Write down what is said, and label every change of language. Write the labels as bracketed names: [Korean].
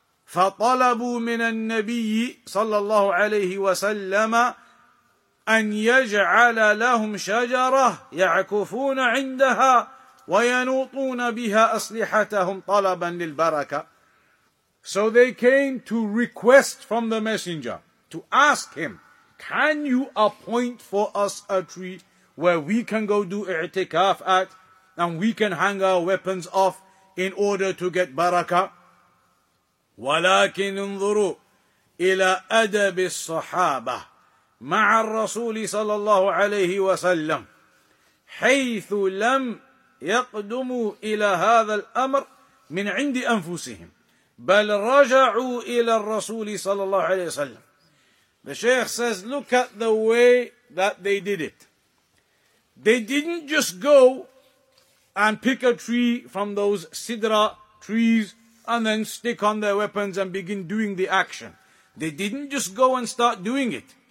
[Arabic] فَطَلَبُوا مِنَ النَّبِيِّ صلى الله عليه وسلم أن يجعل لهم شجرة يعكفون عندها وينوطون بها أسلحتهم طلبا للبركة. [English] So they came to request from the messenger, to ask him, can you appoint for us a tree where we can go do i'tikaf at and we can hang our weapons off in order to get baraka? [Arabic] ولكن انظروا إلى أدب الصحابة مع الرسول صلى الله عليه وسلم حيث لم يقدموا إلى هذا الأمر من عند أنفسهم بل رجعوا إلى الرسول صلى الله عليه وسلم. [English] The Shaykh says, look at the way that they did it. They didn't just go and pick a tree from those sidra trees and then stick on their weapons and begin doing the action. They didn't just go and start doing it.